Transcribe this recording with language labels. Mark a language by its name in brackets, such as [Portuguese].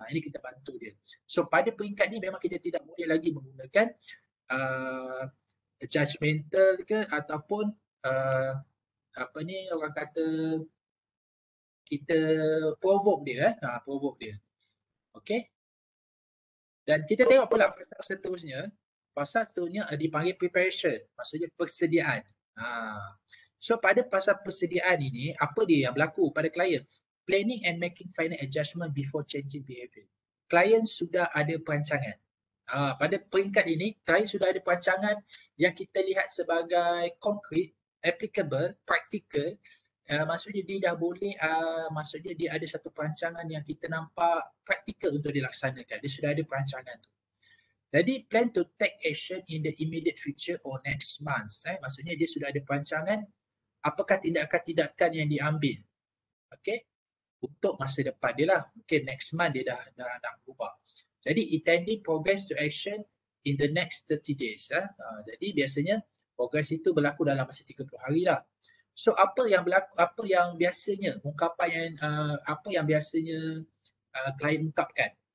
[Malay] Ini kita bantu dia. So pada peringkat ni memang kita tidak boleh lagi menggunakan judgmental ke ataupun apa ni orang kata kita provoke dia. Provoke dia. Okay. Dan kita tengok pula fasa seterusnya. Fasa seterusnya dipanggil preparation. Maksudnya persediaan. So pada pasal persediaan ini, apa dia yang berlaku pada klien? [English] Planning and making final adjustment before changing behavior. [Malay] Klien sudah ada perancangan. Pada peringkat ini, klien sudah ada perancangan yang kita lihat sebagai [English] concrete, applicable, practical. [Malay] Maksudnya dia dah boleh, maksudnya dia ada satu perancangan yang kita nampak practical untuk dilaksanakan. Dia sudah ada perancangan tu. Jadi [English] plan to take action in the immediate future or next month. [Malay] Maksudnya dia sudah ada perancangan. Apakah tindakan-tindakan yang diambil, okay, untuk masa depan dia lah. Mungkin [English] next month [Malay] dia dah nak berubah. [English] Jadi intending progress to action in the next 30 days. [Malay] Jadi biasanya progress itu berlaku dalam masa 30 hari lah. So apa yang berlaku, apa yang biasanya ungkapan yang apa yang biasanya klien ungkapkan?